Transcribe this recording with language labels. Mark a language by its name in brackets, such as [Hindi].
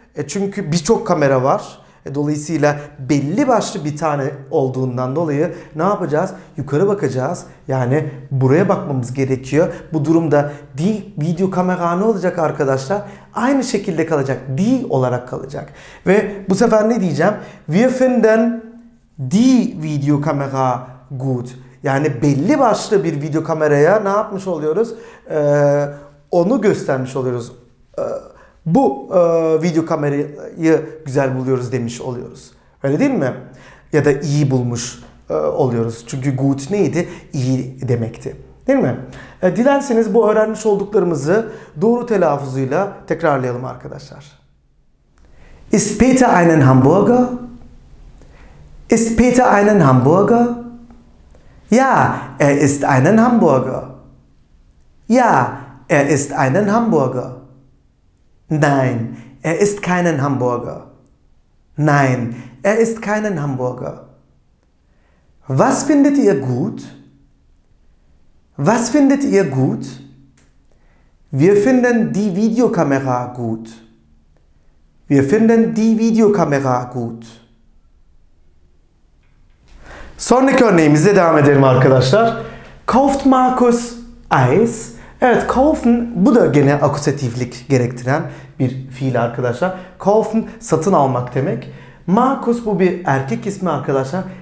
[Turkish] Çünkü birçok kamera var. Dolayısıyla belli başlı bir tane olduğundan dolayı ne yapacağız? Yukarı bakacağız. Yani buraya bakmamız gerekiyor. Bu durumda [German] die video kamera [Turkish] ne olacak arkadaşlar? Aynı şekilde kalacak. Die olarak kalacak. Ve bu sefer ne diyeceğim? [German] Wir finden die video kamera gut. [Turkish] Yani belli başlı bir video kameraya ne yapmış oluyoruz? Onu göstermiş oluyoruz. Bu video kamerayı güzel buluyoruz demiş oluyoruz. Öyle değil mi? Ya da iyi bulmuş oluyoruz. Çünkü gut neydi? İyi demekti. Değil mi? Dilerseniz bu öğrenmiş olduklarımızı doğru telaffuzuyla tekrarlayalım arkadaşlar. [German] Ist Peter einen Hamburger? Ist Peter einen Hamburger? Ja, er ist einen Hamburger. Ja, er ist einen Hamburger. Nein, er ist keinen Hamburger. Nein, er ist keinen Hamburger. Was findet ihr gut? Was findet ihr gut? Wir finden die Videokamera gut. Wir finden die Videokamera gut. [Turkish] Sonraki örneğimizle devam edelim arkadaşlar. [German] Kauft Markus Eis? [Turkish] Evet, kaufen, bu da gene akusatiflik gerektiren bir fiil arkadaşlar. Kaufen, satın almak demek. Markus, bu bir erkek ismi arkadaşlar.